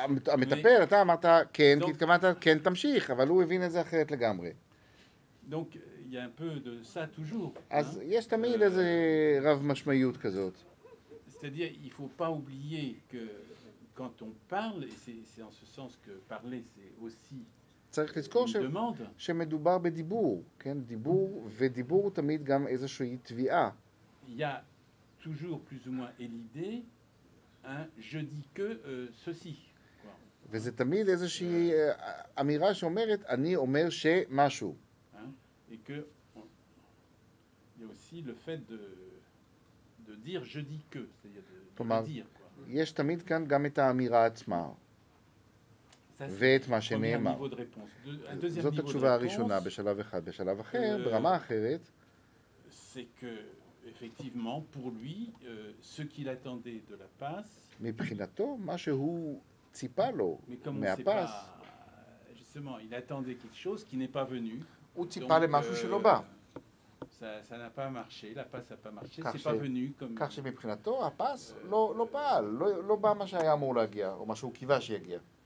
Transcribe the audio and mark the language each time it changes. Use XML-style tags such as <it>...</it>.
<he>המטפל, אתה אמרת כן, כי התכוונת כן, תמשיך, אבל הוא הבין את זה אחרת לגמרי.</he> <fr>Donc, il y a un peu de ça toujours.</fr> <he>אז יש תמיד איזה רב משמעיות כזאת.</he> <fr>C'est-à-dire, il ne faut pas oublier que quand on parle, et c'est en ce sens que parler, c'est aussi...</fr> <he>צריך לזכור שמדובר בדיבור, כן, דיבור, ודיבור תמיד גם איזושהי תביעה.</he> <fr>Il y a toujours plus ou moins l'idée, hein, je dis que ceci.</fr> <he>וזה תמיד איזושהי אמירה שאומרת, אני אומר שמשהו.</he> <fr>Et que, il y a aussi le fait de dire je dis que, c'est-à-dire de dire.</fr> <he>יש תמיד כאן גם את האמירה עצמה. ואת מה שנאמר. זאת התשובה הראשונה בשלב אחד, בשלב אחר, ברמה אחרת.</he> <fr>C'est que, effectivement, pour lui, ce qu'il attendait de la passe.</fr> <he>מבחינתו, מה שהוא ציפה לו מהפס.</he> <fr>Justement, il attendait quelque chose qui n'est pas venu.</fr> <he>הוא ציפה למשהו שלא בא.</he> <fr>Ça n'a pas marché, la passe n'a pas marché, c'est pas venu comme.</fr> <he>כך שמבחינתו, הפס לא פעל, לא בא מה שהיה אמור להגיע, או מה שהוא קיווה שיגיע.</he>